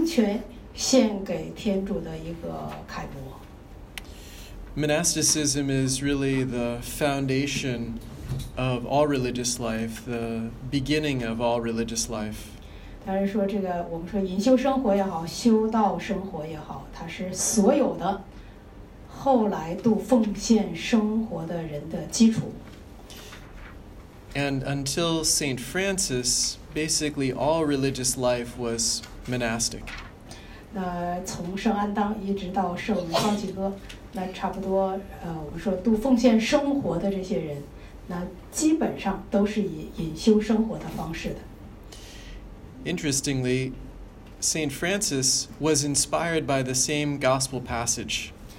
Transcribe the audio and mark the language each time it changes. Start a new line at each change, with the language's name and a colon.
Chinese: 那圣安当呢，就是度隐修生活的，我们叫知父啊，或是修道院的始祖。啊，他呢，就是一个把自己完全献给天主的一个楷模。
English: Monasticism is really the foundation of all religious life, the beginning of all religious life.
Chinese: 当然说这个，我们说隐修生活也好，修道生活也好，它是所有的后来度奉献生活的人的基础。
English: And until Saint Francis, basically all religious life was monastic.
Chinese: 那从圣安当一直到圣方济哥，那差不多，我们说度奉献生活的这些人，那基本上都是以隐修生活的方式的。
English: Interestingly, Saint Francis was inspired by the same gospel passage.